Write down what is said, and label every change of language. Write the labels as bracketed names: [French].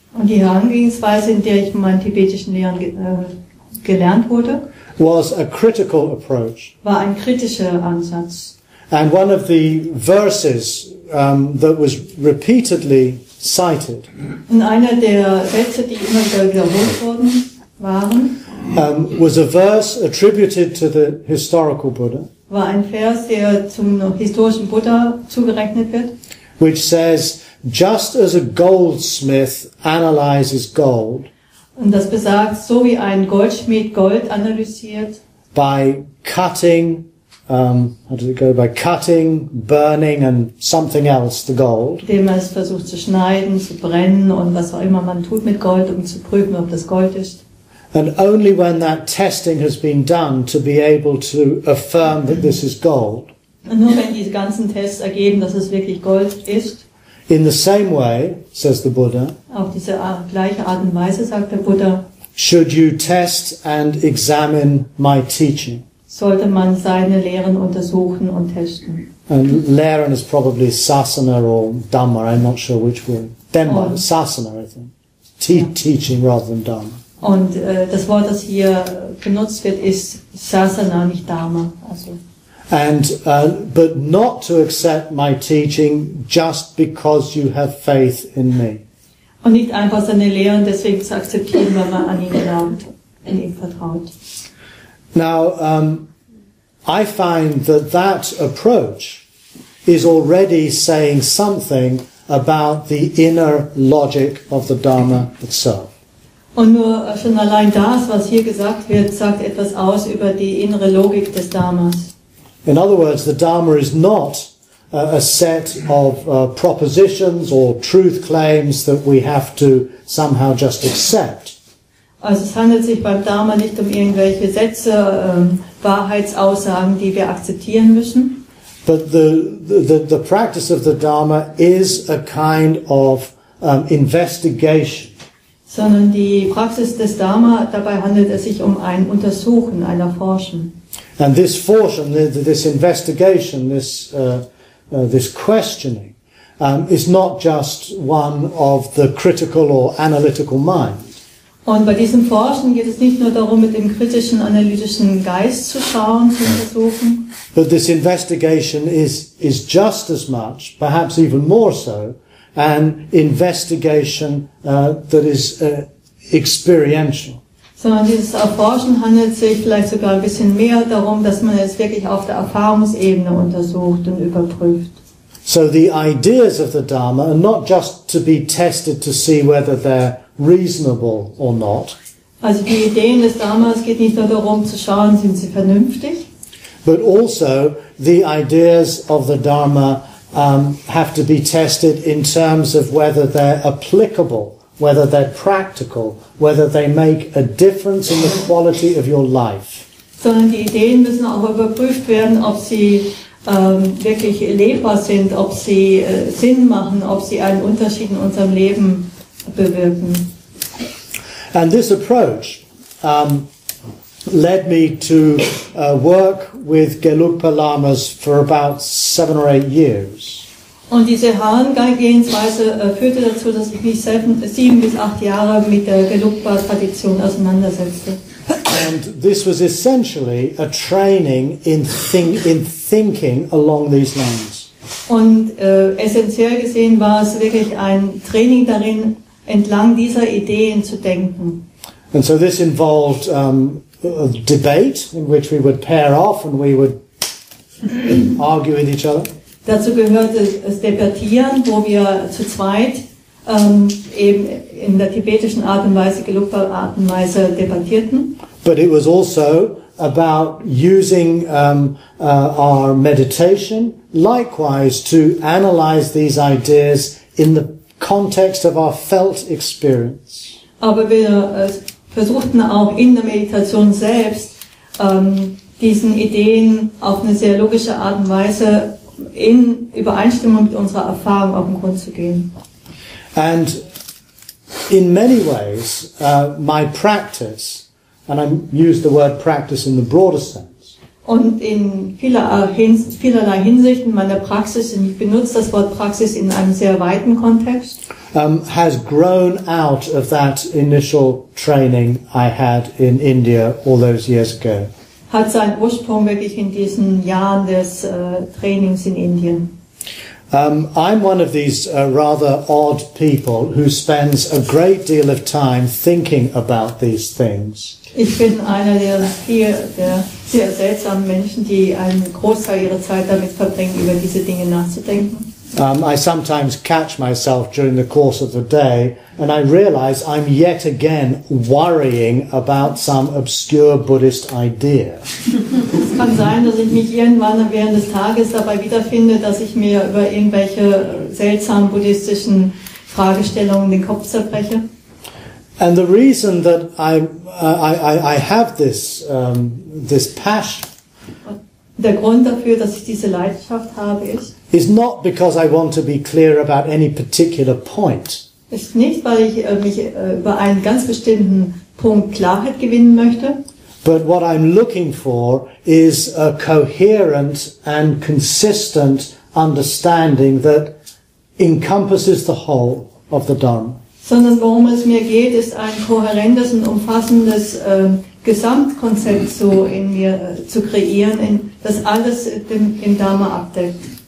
[German] Und die Herangehensweise, in der ich von meinen tibetischen Lehrern gelernt wurde. [English] Was a critical approach. [German] War ein kritischer Ansatz. [English] And one of the verses that was repeatedly cited. [German] Und einer der Sätze, die immer wiederholt wurden, waren. [English] Was a verse attributed to the historical Buddha. [German] War ein Vers, der zum historischen Buddha zugerechnet wird. [English] Which says, just as a goldsmith analyzes gold. [German] Und das besagt, so wie ein Goldschmied Gold analysiert. [English] By cutting, how does it go? By cutting, burning and something else, the gold. [German] Indem man es versucht zu schneiden, zu brennen und was auch immer man tut mit Gold, um zu prüfen, ob das Gold ist. [English] And only when that testing has been done to be able to affirm that this is gold. [German] Und nur wenn diese ganzen Tests ergeben, dass es wirklich Gold ist. [English] In the same way, says the Buddha, [German] auf diese gleiche Art und Weise, sagt der Buddha, [English] should you test and examine my teaching? [German] Sollte man seine Lehren untersuchen und testen. [English] And Lehren is probably Sasana or Dhamma, I'm not sure which word. Dhamma, oh. Sasana, I think. Teaching rather than Dhamma. [German] Und das Wort, das hier benutzt wird, ist Sasana, nicht Dhamma. Also. [English] And but not to accept my teaching just because you have faith in me. [German] Und nicht einfach seine Lehren deswegen zu akzeptieren, weil man an ihn glaubt, an ihn vertraut. [English] Now, I find that that approach is already saying something about the inner logic of the Dharma itself. [German] Und nur schon allein das, was hier gesagt wird, sagt etwas aus über die innere Logik des Dharmas. [English] In other words, the Dharma is not a set of propositions or truth claims that we have to somehow just accept. [German] Also es handelt sich beim Dharma nicht um irgendwelche Sätze, Wahrheitsaussagen, die wir akzeptieren müssen. [English] But the practice of the Dharma is a kind of investigation. [German] Sondern die Praxis des Dharma, dabei handelt es sich um ein Untersuchen, ein Erforschen. [English] And this forschen, this investigation, this questioning, is not just one of the critical or analytical mind. [German] Und bei diesem Forschen geht es nicht nur darum, mit dem kritischen, analytischen Geist zu schauen, zu untersuchen. [English] But this investigation is just as much, perhaps even more so, an investigation that is experiential. [German] Sondern dieses Erforschen handelt sich vielleicht sogar ein bisschen mehr darum, dass man es wirklich auf der Erfahrungsebene untersucht und überprüft. [English] So the ideas of the Dharma are not just to be tested to see whether they're reasonable or not. [German] Also die Ideen des Dharmas geht nicht nur darum zu schauen, sind sie vernünftig. [English] But also the ideas of the Dharma have to be tested in terms of whether they're applicable, whether they're practical, whether they make a difference in the quality of your life. [German] Sondern die Ideen müssen auch überprüft werden, ob sie wirklich lebbar sind, ob sie Sinn machen, ob sie einen Unterschied in unserem Leben bewirken. [English] And this approach led me to work with Gelugpa Lamas for about 7 or 8 years. [German] Und diese Herangehensweise führte dazu, dass ich mich 7 bis 8 Jahre mit der Gelugpa-Tradition auseinandersetzte. [English] And this was essentially a training in thinking along these lines. [German] Und essentiell gesehen war es wirklich ein Training darin, entlang dieser Ideen zu denken. [English] And so this involved a debate in which we would pair off and we would argue with each other. [German] Dazu gehört das Debattieren, wo wir zu zweit eben in der tibetischen Art und Weise, Gelugpa-Art und Weise debattierten. [English] But it was also about using our meditation likewise to analyze these ideas in the context of our felt experience. [German] Aber wir versuchten auch in der Meditation selbst, diesen Ideen auf eine sehr logische Art und Weise in Übereinstimmung mit unserer Erfahrung auf den Grund zu gehen. [English] And in many ways, my practice, and I use the word practice in the broader sense. [German] Und in vielerlei Hinsichten meiner Praxis, und ich benutze das Wort Praxis in einem sehr weiten Kontext, [English] Has grown out of that initial training I had in India all those years ago. [German] Hat seinen Ursprung wirklich in diesen Jahren des Trainings in Indien. [English] I'm one of these rather odd people who spends a great deal of time thinking about these things. [German] Ich bin einer der sehr seltsamen Menschen, die einen Großteil ihrer Zeit damit verbringen, über diese Dinge nachzudenken. [English] I sometimes catch myself during the course of the day and I realize I'm yet again worrying about some obscure Buddhist idea. [German] Es kann sein, dass ich mich irgendwann während des Tages dabei wiederfinde, dass ich mir über irgendwelche seltsamen buddhistischen Fragestellungen den Kopf zerbreche. [English] And the reason that I have this passion, [German] der Grund dafür, dass ich diese Leidenschaft habe, [English] is not because I want to be clear about any particular point. [German] Ist nicht, weil ich mich über einen ganz bestimmten Punkt Klarheit gewinnen möchte. [English] But what I'm looking for is a coherent and consistent understanding that encompasses the whole of the Dharma. [German] Sondern worum es mir geht, ist ein kohärentes und umfassendes Gesamtkonzept so in mir zu kreieren, das alles im Dharma abdeckt.